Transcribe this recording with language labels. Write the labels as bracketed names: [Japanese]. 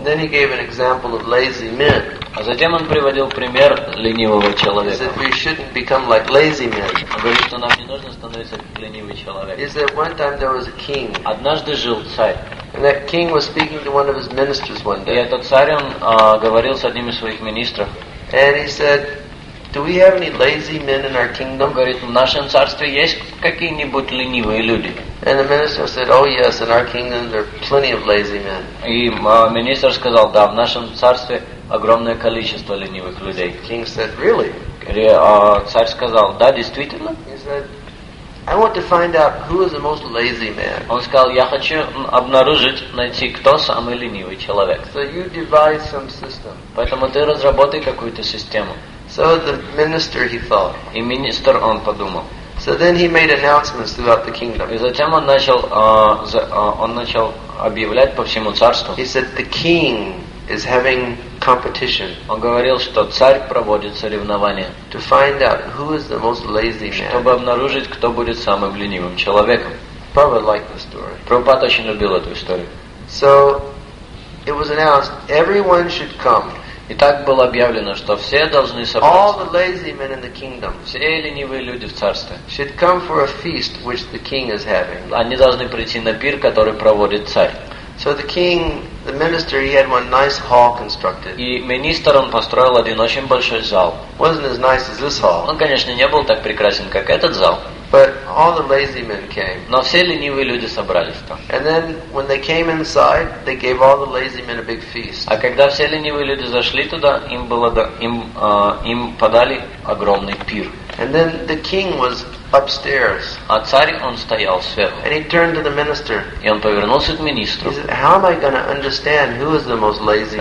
[English] Then he gave an example of lazy men. [Russian] А затем он приводил пример ленивого человека. [English] He said we shouldn't become like lazy men. [Russian] Он говорит, что нам не нужно становиться ленивым человеком. [English] He said one time there was a king. [Russian] Однажды жил царь. [English] And that king was speaking to one of his ministers one day. [Russian] И этот царь, он говорил с одним из своих министров. [English] And he said, "Do we have any lazy men in our kingdom?" [Russian] Он говорит, в нашем царстве есть какие-нибудь ленивые люди? [English] And the minister said, "Oh yes, in our kingdom there are plenty of lazy men." [Russian] И министр сказал, да, в нашем царстве огромное количество ленивых людей. [English] The king said, "Really?" [Russian] Царь сказал, да, действительно. [English] He said, I want to find out who is the most lazy man. [Russian] Он сказал, я хочу обнаружить, найти, кто самый ленивый человек. [English] So you devise some system. [Russian] Поэтому ты разработай какую-то систему. [English] So the minister, he thought. [Russian] И министр, он подумал. [English] So then he made announcements throughout the kingdom. [Russian] И затем он начал объявлять по всему царству. [English] He said, the king is having competition. [Russian] Он говорил, что царь проводит соревнования. [English] To find out who is the most lazy man. [Russian] Чтобы обнаружить, кто будет самым ленивым человеком. [English] Prabhupada liked the story. [Russian] Прабхупада очень любил эту историю. [English] So it was announced everyone should come. [Russian] И так было объявлено, что все должны собраться. [English] All the lazy men in the kingdom. [Russian] Все ленивые люди в царстве. [English] Should come for a feast which the king is having. [Russian] Они должны прийти на пир, который проводит царь. [English] So the king, the minister, he had one nice hall constructed. [Russian] И министр он построил один очень большой зал. [English] Wasn't as nice as this hall. [Russian] Он, конечно, не был так прекрасен, как этот зал. [English] But all the lazy men came. [Russian] Но все ленивые люди собрались там. [English] And then when they came inside, they gave all the lazy men a big feast. [Russian] А когда все ленивые люди зашли туда, им подали огромный пир. [English] And then the king was upstairs. [Russian] А царь он стоял сверху. [English] And he turned to the minister. [Russian] И он повернулся к министру. [English] He said, "How am I going to understand who is the most lazy man?"